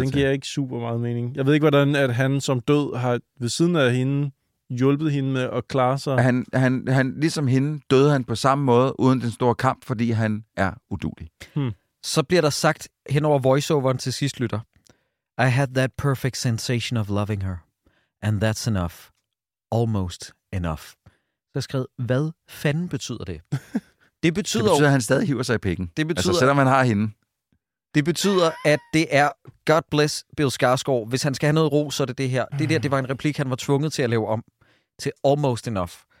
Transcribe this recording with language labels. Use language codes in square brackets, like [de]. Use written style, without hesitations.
[da] Ja, den giver ikke super meget mening. Jeg ved ikke, hvordan at han som død har ved siden af hende hjulpet hende med at klare sig. Han, ligesom hende, døde han på samme måde, uden den store kamp, fordi han er udulig. Hmm. Så bliver der sagt hen over voiceoveren til sidst, lytter. [en] I had that perfect sensation of loving her. And that's enough. Almost enough. [da] Så jeg skrev, hvad fanden betyder det? Det betyder, at han stadig hiver sig i pikken. Det betyder, altså, selvom han har hende. Det betyder, at det er [en] God bless [da] Bill Skarsgård. Hvis han skal have noget ro, så er det det her. Det der, det var en replik, han var tvunget til at lave om til [en] almost enough.